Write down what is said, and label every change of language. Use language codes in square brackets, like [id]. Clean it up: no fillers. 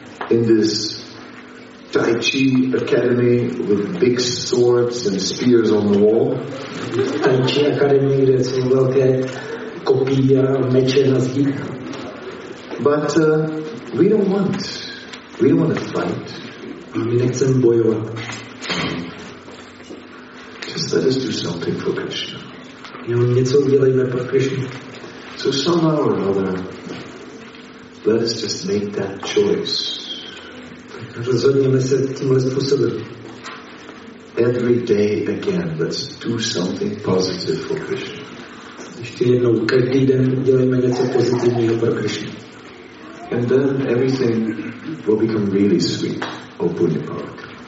[en] In this Tai Chi Academy with big swords and spears on the wall. [cs] Tai Chi Academy, kde jsou velké kopí a meče na zdích. [en] But we don't want to fight. [cs] A my nechceme bojovat. [en] Just let us do something for Krishna. [cs] Jo, něco udělejme pro Krishna. [en] So somehow or another, let us just make that choice. [cs] Rozhodněme se tímhle způsobem. [en] Every day again, let's do something positive for Krishna. [cs] Ještě jednou, každý den dělejme něco pozitivního pro Krishna. [en] And then everything will become really sweet. Open your heart.